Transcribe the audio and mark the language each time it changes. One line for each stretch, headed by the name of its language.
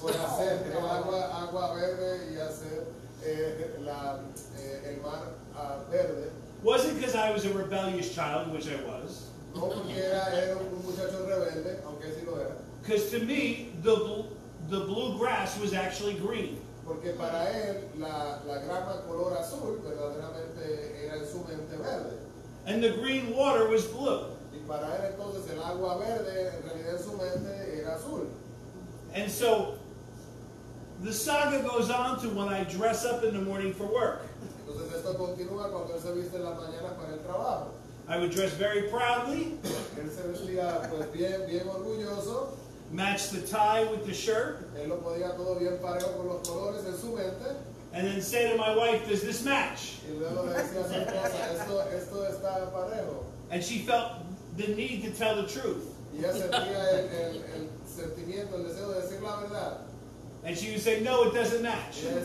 Spanish: Por hacer agua verde y hacer el mar verde.
English: Wasn't because I was a rebellious child, which I was.
Spanish: No, porque era un muchacho rebelde, aunque sí lo era.
English: Because to me, the blue grass was actually green.
Spanish: Porque para él, la grama color azul, verdaderamente era en su mente verde.
English: And the green water was blue.
Spanish: Y para él, entonces, el agua verde, en realidad en su mente, era azul.
English: And so, the saga goes on to when I dress up in the morning for work.
Spanish: Entonces esto continúa cuando él se viste en la mañana para el trabajo.
English: I would dress very proudly.
Spanish: Él se vestía pues bien, bien orgulloso.
English: Match the tie with the shirt.
Spanish: Él lo ponía todo bien parejo con los colores en su mente.
English: And then say to my wife, "Does this match?"
Spanish: Y luego le decía a su esposa, esto está parejo.
English: And she felt the need to tell the truth.
Spanish: Y ella sentía el sentimiento, el deseo de decir la verdad.
English: And she would say, no, it doesn't match.